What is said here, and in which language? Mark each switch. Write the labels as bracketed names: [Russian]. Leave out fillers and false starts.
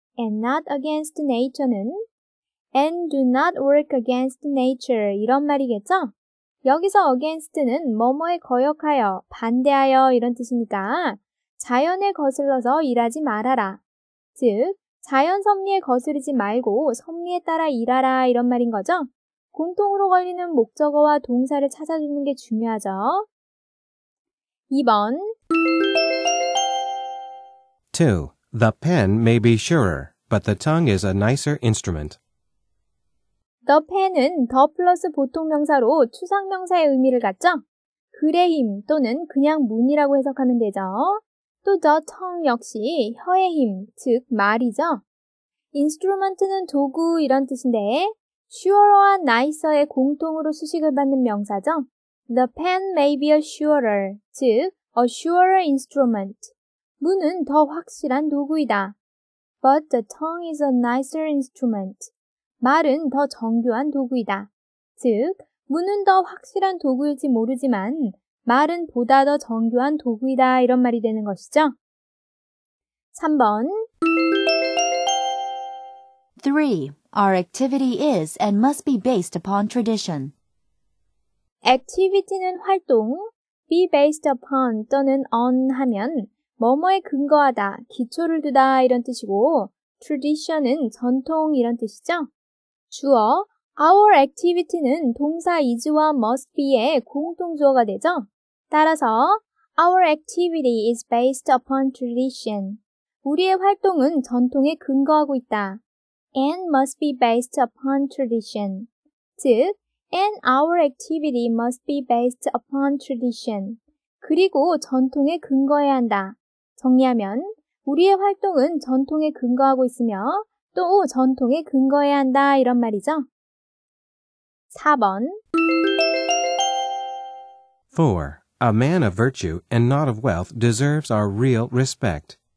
[English] And not against nature는 and do not work against nature [Korean] 이런 말이겠죠? 여기서 against는 뭐뭐에 거역하여, 반대하여 이런 뜻이니까 자연에 거슬러서 일하지 말아라. 즉, 자연 섭리에 거스르지 말고 섭리에 따라 일하라 이런 말인 거죠. 공통으로 걸리는 목적어와 동사를 찾아주는 게 중요하죠. 2번 2. [English] The pen may be surer, but the tongue is a nicer instrument. [Korean] The pen은 the 플러스 보통명사로 추상명사의 의미를 갖죠? 글의 힘 또는 그냥 문이라고 해석하면 되죠. 또 the tongue 역시 혀의 힘, 즉 말이죠. Instrument는 도구 이런 뜻인데 surer와 nicer의 공통으로 수식을 받는 명사죠. [English] The pen may be a surer, 즉 a surer instrument. [Korean] 문은 더 확실한 도구이다. [English] But the tongue is a nicer instrument. [Korean] 말은 더 정교한 도구이다. 즉, 문은 더 확실한 도구일지 모르지만 말은 보다 더 정교한 도구이다 이런 말이 되는 것이죠. 3번 3. [English] Our activity is and must be based upon tradition. [Korean] Activity는 활동, be based upon 또는 on 하면 뭐뭐에 근거하다, 기초를 두다 이런 뜻이고 tradition은 전통 이런 뜻이죠. 주어, our activity는 동사 is와 must be의 공통 주어가 되죠. [English] 따라서, our activity is based upon tradition. [Korean] 우리의 활동은 전통에 근거하고 있다. [English] And must be based upon tradition. 즉, and our activity must be based upon tradition. [Korean] 그리고 전통에 근거해야 한다. 정리하면, 우리의 활동은 전통에 근거하고 있으며, 또 전통에 근거해야 한다 이런 말이죠. 4번 4. [English] A man of virtue and not of wealth deserves our real respect.